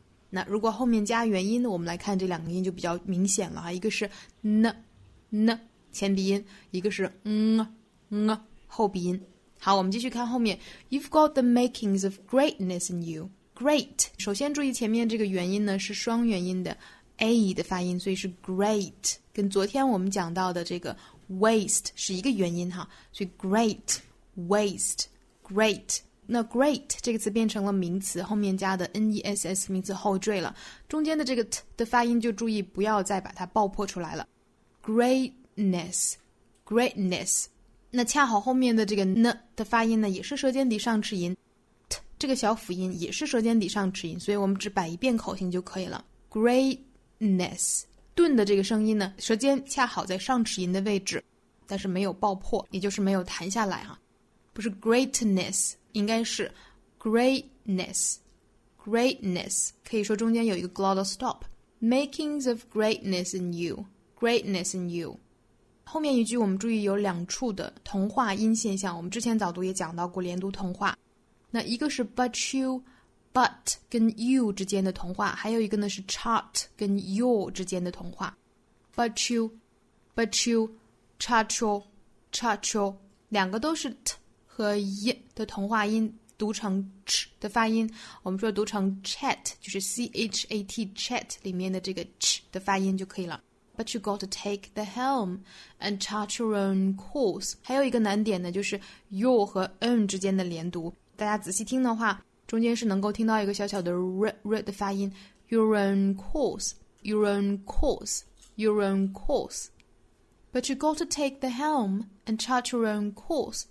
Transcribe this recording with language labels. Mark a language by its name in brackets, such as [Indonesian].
[Chinese] 那如果后面加元音呢，我们来看这两个音就比较明显了哈，一个是 n n 前鼻音，一个是 ng ng 后鼻音。好，我们继续看后面 [English] ，You've got the makings of greatness in you. [Chinese] Great， 首先注意前面这个元音呢是双元音的 a 的发音，所以是 great， 跟昨天我们讲到的这个 waste 是一个元音哈，所以 great waste great。那 great 这个词变成了名词，后面加的 ness 名词后缀了，中间的这个 t 的发音就注意不要再把它爆破出来了。 greatness greatness， 那恰好后面的这个 n 的发音呢，也是舌尖抵上齿龈 ，t 这个小辅音也是舌尖抵上齿龈，所以我们只摆一遍口型就可以了。 greatness 顿的这个声音呢，舌尖恰好在上齿龈的位置，但是没有爆破，也就是没有弹下来哈、啊，不是 greatness。应该是 greatness, greatness 可以说中间有一个 glottal stop. [English] Makings of greatness in you, greatness in you. [Chinese] 后面一句我们注意有两处的同化音现象，我们之前早读也讲到过连读同化。那一个是 but you, but 跟 you 之间的同化，还有一个呢是 chart 跟 your 之间的同化。 [English] But you, chart your, chart your, [Chinese] 两个都是 [English] t. [Chinese] 和 y 的同化音读成 ch 的发音，我们说读成 chat 就是 chat chat 里面的这个 ch 的发音就可以了。 [English] But you got to take the helm and chart your own course. [Chinese] 还有一个难点呢，就是 your 和 own 之间的连读，大家仔细听的话，中间是能够听到一个小小的 r r 的发音。 [English] Your own course, your own course, your own course. But you got to take the helm and chart your own course.